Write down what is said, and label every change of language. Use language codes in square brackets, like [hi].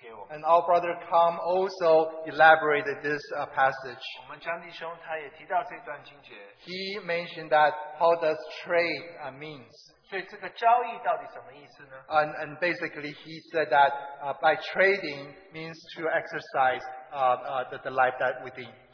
[en] and our brother Tom also elaborated this passage. [zh] 我们江弟兄他也提到这段经节, [en] he mentioned that how does trade means. [zh] 所以这个交易到底什么意思呢? [en] And basically he said that by trading means to exercise the life that within.